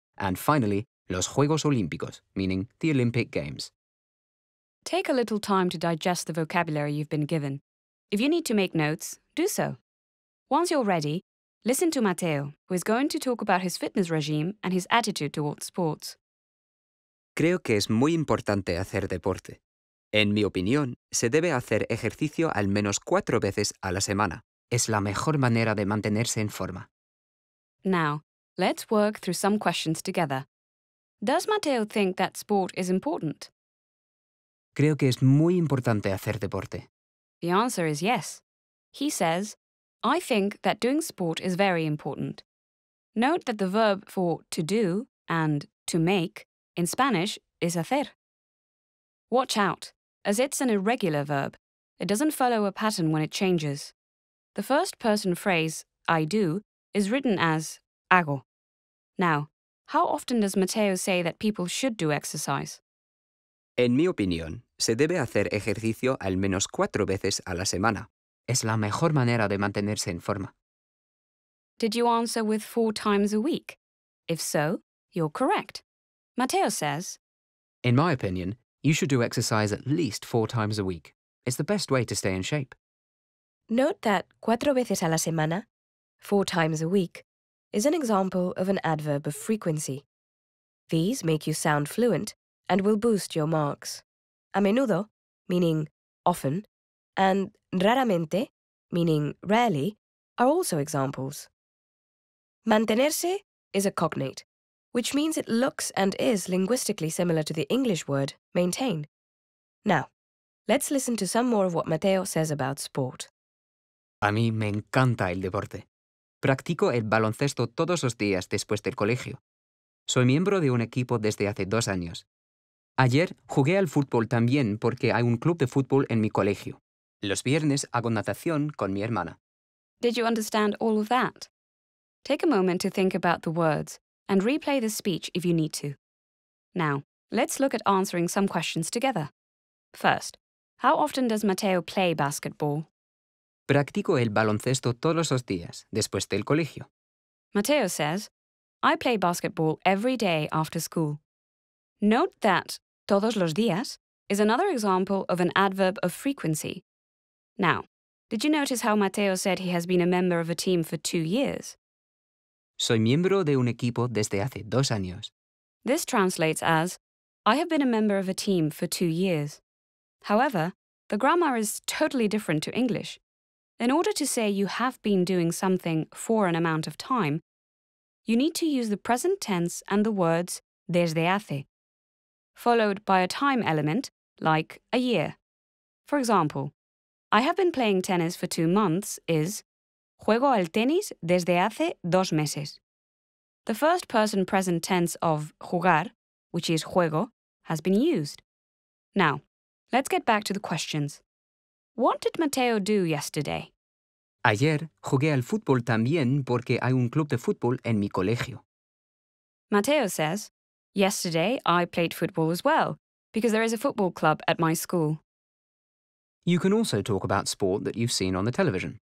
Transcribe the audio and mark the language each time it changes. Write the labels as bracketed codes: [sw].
[en] And finally, [es] los Juegos Olímpicos, [en] meaning the Olympic Games. Take a little time to digest the vocabulary you've been given. If you need to make notes, do so. Once you're ready, listen to Mateo, who is going to talk about his fitness regime and his attitude towards sports. [es] Creo que es muy importante hacer deporte. En mi opinión, se debe hacer ejercicio al menos 4 veces a la semana. Es la mejor manera de mantenerse en forma. [en] Now, let's work through some questions together. Does Mateo think that sport is important? [es] Creo que es muy importante hacer deporte. [en] The answer is yes. He says, I think that doing sport is very important. Note that the verb for to do and to make in Spanish is hacer. Watch out, as it's an irregular verb. It doesn't follow a pattern when it changes. The first person phrase, I do, is written as hago. Now, how often does Mateo say that people should do exercise? [es] En mi opinión, se debe hacer ejercicio al menos 4 veces a la semana. Es la mejor manera de mantenerse en forma. [en] Did you answer with 4 times a week? If so, you're correct. Mateo says, In my opinion, you should do exercise at least 4 times a week. It's the best way to stay in shape. Note that [es] 4 veces a la semana, [en] 4 times a week, is an example of an adverb of frequency. These make you sound fluent and will boost your marks. A menudo, meaning often, and raramente, meaning rarely, are also examples. Mantenerse is a cognate, which means it looks and is linguistically similar to the English word maintain. Now, let's listen to some more of what Mateo says about sport. [es] A mí me encanta el deporte. Practico el baloncesto todos los días después del colegio. Soy miembro de un equipo desde hace 2 años. Ayer jugué al fútbol también porque hay un club de fútbol en mi colegio. Los viernes hago natación con mi hermana. [en] Did you understand all of that? Take a moment to think about the words and replay the speech if you need to. Now, let's look at answering some questions together. First, how often does Mateo play basketball? [es] Practico el baloncesto todos los días, después del colegio. [en] Mateo says, I play basketball every day after school. Note that [es] todos los días [en] is another example of an adverb of frequency. Now, did you notice how Mateo said he has been a member of a team for 2 years? [es] Soy miembro de un equipo desde hace 2 años. [en] This translates as, I have been a member of a team for 2 years. However, the grammar is totally different to English. In order to say you have been doing something for an amount of time, you need to use the present tense and the words desde hace, followed by a time element, like a year. For example, I have been playing tennis for 2 months is [es] juego al tenis desde hace 2 meses. [en] The first person present tense of jugar, which is juego, has been used. Now, let's get back to the questions. What did Mateo do yesterday? [es] Ayer jugué al fútbol también porque hay un club de fútbol en mi colegio. [en] Mateo says, Yesterday, I played football as well, because there is a football club at my school. You can also talk about sport that you've seen on the television.